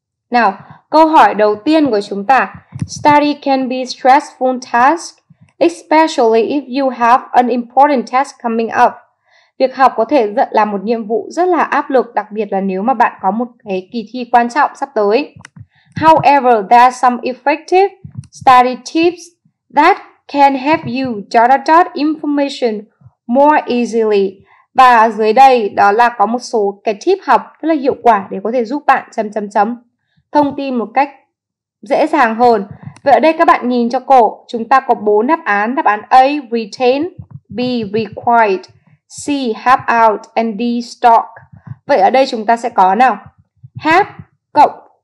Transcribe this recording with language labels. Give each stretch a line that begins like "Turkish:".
Vietnamese: Nào, câu hỏi đầu tiên của chúng ta.
English: Study can be stressful task, especially if you have an important test coming up.
Vietnamese: Việc học có thể là một nhiệm vụ rất là áp lực, đặc biệt là nếu mà bạn có một cái kỳ thi quan trọng sắp tới.
English: However, there are some effective study tips that can help you jot down information more easily.
Vietnamese: Và dưới đây đó là có một số cái tip học rất là hiệu quả để có thể giúp bạn thông tin một cách dễ dàng hơn. Vậy ở đây các bạn nhìn cho cổ, chúng ta có 4 đáp án. Đáp án A, retain. B, required.
English: C, help out. And D, stock.
Vietnamese: Vậy ở đây chúng ta sẽ có nào. Help cộng